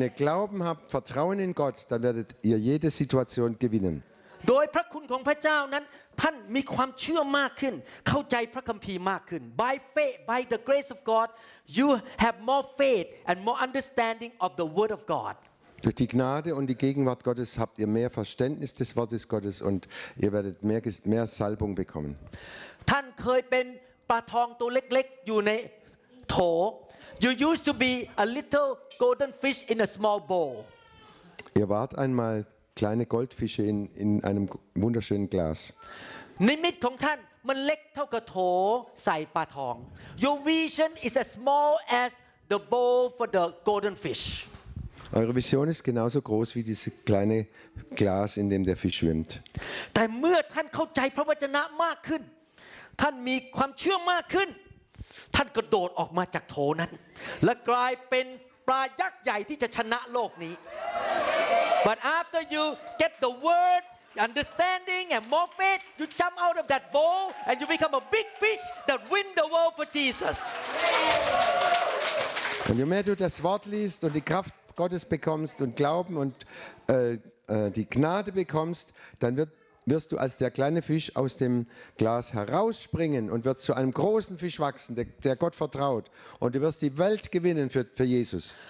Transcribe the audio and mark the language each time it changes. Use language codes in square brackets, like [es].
[de] ihr Glauben habt, Vertrauen in Gott, dann werdet ihr jede Situation gewinnen. [th] โดยพระคุณของพระเจ้านั้นท่านมีความเชื่อมากขึ้นเข้าใจพระคัมภีร์มากขึ้น [en] By faith by the grace of God you have more faith and more understanding of the word of God [de] Durch die Gnade und die Gegenwart Gottes habt ihr mehr Verständnis des Wortes Gottes und ihr werdet mehr Salbung bekommen [th] ท่านเคยเป็นปลาทองตัวเล็กๆอยู่ในโถ [en] You used to be a little golden fish in a small bowl [de] Ihr wart einmalKleine Goldfische in einem wunderschönen Glas. [en] Nimit [th] ของท่านมันเล็กเท่ากระโถใส่ปลาทอง [en] Your vision is as small as the bowl for the golden fish. [de] Eure Vision ist genauso groß wie dieses kleine Glas, in dem der Fisch schwimmt. [th] แต่เมื่อท่านเข้าใจพระวจนะมากขึ้นท่านมีความเชื่อมากขึ้นท่านกระโดดออกมาจากโถนั้นและกลายเป็นปลายักษ์ใหญ่ที่จะชนะโลกนี้ [en] But after you get the word, understanding, and more faith, you jump out of that bowl and you become a big fish that win the world for Jesus. [de] Und je mehr du das Wort liest und die Kraft Gottes bekommst und Glauben und die Gnade bekommst, dann wirst du als der kleine Fisch aus dem Glas herausspringen und wirst zu einem großen Fisch wachsen, der Gott vertraut. Und du wirst die Welt gewinnen für Jesus.